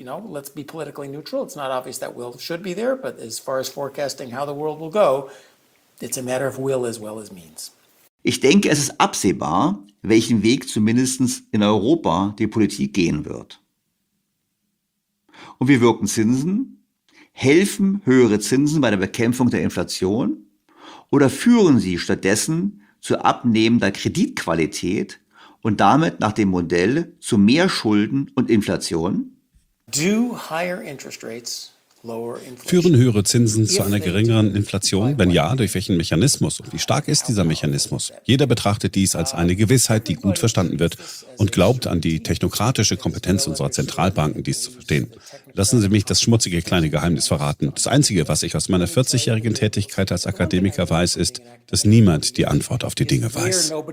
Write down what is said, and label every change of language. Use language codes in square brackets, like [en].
[en] Let's be politically neutral. It's not obvious that will should be there, but as far as forecasting how the world will go, it's a matter of will as well as means. [de] Ich denke, es ist absehbar, welchen Weg zumindest in Europa die Politik gehen wird. Und wie wirken Zinsen? Helfen höhere Zinsen bei der Bekämpfung der Inflation? Oder führen sie stattdessen zu abnehmender Kreditqualität und damit nach dem Modell zu mehr Schulden und Inflation? [en] Do higher interest rates lower inflation? [de] Führen höhere Zinsen zu einer geringeren Inflation? Wenn ja, durch welchen Mechanismus? Und wie stark ist dieser Mechanismus? Jeder betrachtet dies als eine Gewissheit, die gut verstanden wird und glaubt an die technokratische Kompetenz unserer Zentralbanken, dies zu verstehen. Lassen Sie mich das schmutzige kleine Geheimnis verraten. Das Einzige, was ich aus meiner 40-jährigen Tätigkeit als Akademiker weiß, ist, dass niemand die Antwort auf die Dinge weiß.